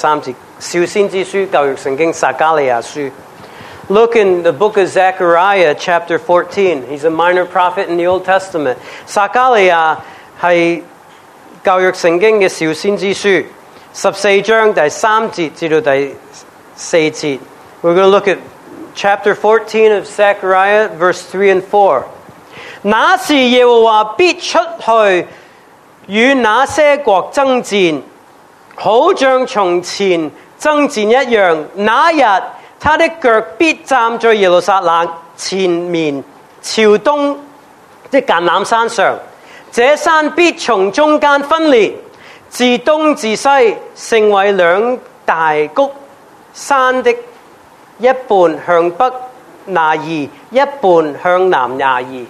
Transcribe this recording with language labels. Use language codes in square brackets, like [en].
[zh] 看撒加利亚十四章第三节,小先知书,教育圣经,撒加利亚书. [en] Look in the book of Zechariah, chapter 14. He's a minor prophet in the Old Testament. [zh] 撒加利亚是教育圣经的小先知书,十四章第三节至第四节. [en] We're going to look at chapter 14 of Zechariah, verse 3 and 4. [zh] 那时耶和华必出去, 与那些国争战,好像从前争战一样,那日他的脚必站在耶路撒冷前面,朝东,即橄榄山上,这山必从中间分裂,自东至西,成为两大谷山的一半向北拿二,一半向南拿二。